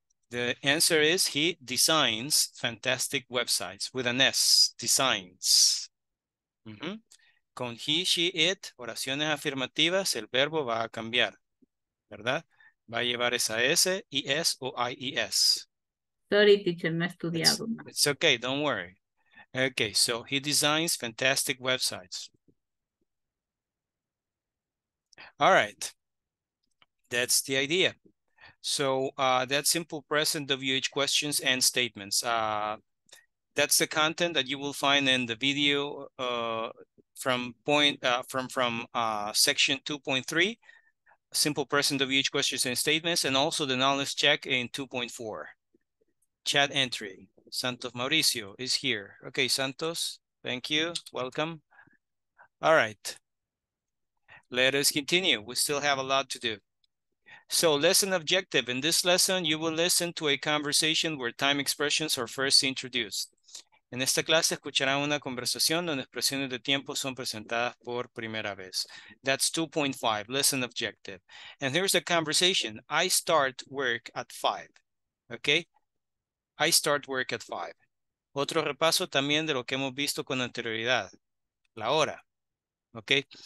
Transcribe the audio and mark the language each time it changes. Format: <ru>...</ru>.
<en>The answer is he designs fantastic websites with an S, designs. Mm-hmm.</en> <es>Con he, she, it, oraciones afirmativas, el verbo va a cambiar, ¿verdad? Va a llevar esa S, E-S o I-E-S.</es> <en>Sorry, teacher,</en> <es>no he estudiado.</es> <en>It's okay, don't worry. Okay, so he designs fantastic websites. All right, that's the idea. So that's simple present WH questions and statements. That's the content that you will find in the video section 2.3, simple present WH questions and statements, and also the knowledge check in 2.4. Chat entry, Santos Mauricio is here. Okay, Santos, thank you, welcome. All right, let us continue. We still have a lot to do. So lesson objective, in this lesson, you will listen to a conversation where time expressions are first introduced.</en> <es>En esta clase escucharán una conversación donde expresiones de tiempo son presentadas por primera vez.</es> <en>That's 2.5, lesson objective. And here's the conversation. I start work at 5, okay? I start work at 5.</en> <es>Otro repaso también de lo que hemos visto con anterioridad, la hora, okay?</es>